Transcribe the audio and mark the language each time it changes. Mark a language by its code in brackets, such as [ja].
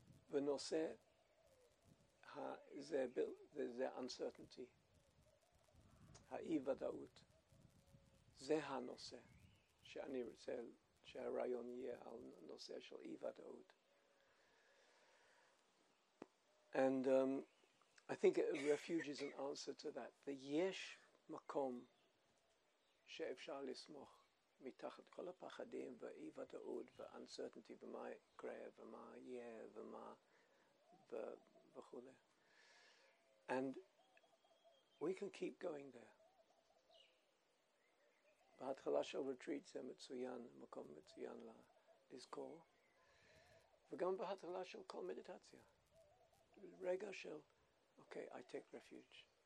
[he] ונושא זה uncertainty. האי-וודאות. זה הנושא שאני רוצה שהרעיון יהיה על נושא של אי-וודאות. [en] And I think a refuge is an answer to that. [he] ויש מקום שאפשר לסמוך מתחת כל הפחדים ואי-וודאות ואנסרטנטי ומה יקרה ומה יהיה ומה וכו'. [en] And we can keep going there. [he] בהתחלה של רטריט זה מצוין, מקום מצוין לזכור. וגם בהתחלה של כל מדיטציה. רגע של, [en] okay, I take refuge.